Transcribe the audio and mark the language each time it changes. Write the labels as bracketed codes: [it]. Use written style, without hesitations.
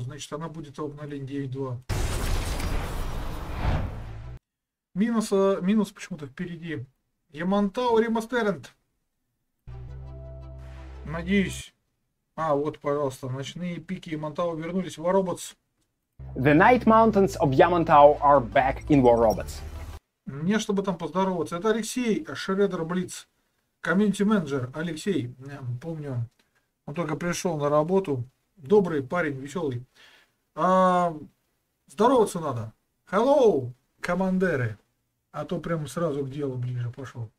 [ru] Значит, она будет обновлена 9.2. Минус почему-то впереди. Ямантау ремастеринг. Надеюсь. А, вот, пожалуйста, ночные пики Ямантау вернулись в Warobots. [en] The Night Mountains of Yamantau are back in Warobots. [ru] Мне, чтобы там поздороваться. Это Алексей Шредер Блиц. Комьюнити менеджер. Алексей, помню. Он только пришел на работу. Добрый парень, веселый. Здороваться надо. Hello, командеры. А то прям сразу к делу ближе пошел.